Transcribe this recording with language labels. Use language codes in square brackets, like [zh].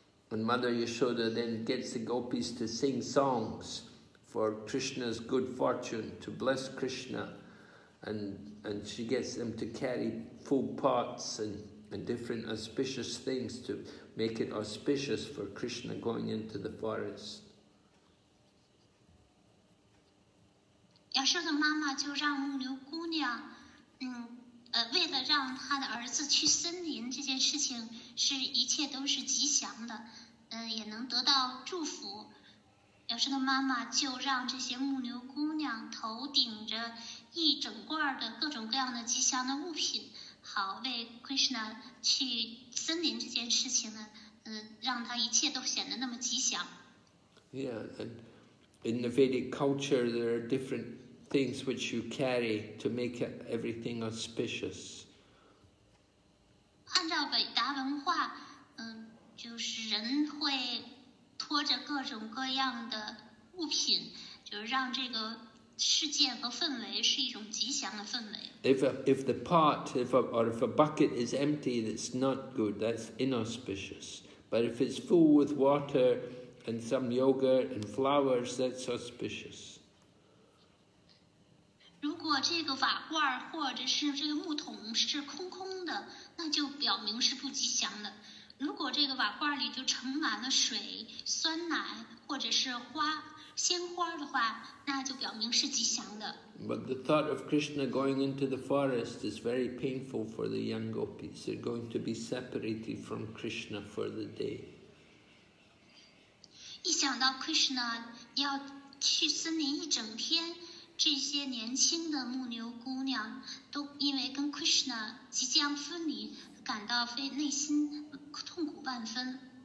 [en] And Mother Yashoda then gets the gopis to sing songs for Krishna's good fortune, to bless Krishna, and she gets them to carry food pots and different auspicious things to make it auspicious for Krishna going into the forest. [zh] 亚瑟的妈妈就让牧牛姑娘，为了让她的儿子去森林这件事情是一切都是吉祥的，也能得到祝福。亚瑟的妈妈就让这些牧牛姑娘头顶着一整罐的各种各样的吉祥的物品，好为 Krishna 去森林这件事情呢，让他一切都显得那么吉祥。 [en] Yeah, and in the Vedic culture, there are different. Things which you carry to make everything auspicious. [zh] 按照北达文化，就是人会拖着各种各样的物品，就是让这个事件和氛围是一种吉祥的氛围。 [en] If a bucket is empty, that's not good. That's inauspicious. But if it's full with water and some yogurt and flowers, that's auspicious. [zh] 如果这个瓦罐或者是这个木桶是空空的，那就表明是不吉祥的。如果这个瓦罐里就盛满了水、酸奶或者是花、鲜花的话，那就表明是吉祥的。 [en] But the thought of Krishna going into the forest is very painful for the young gopis. They're going to be separated from Krishna for the day. [zh] 一想到 Krishna 要去森林一整天。这些年轻的牧牛姑娘都因为跟 Krishna 即将分离，感到非内心痛苦万分。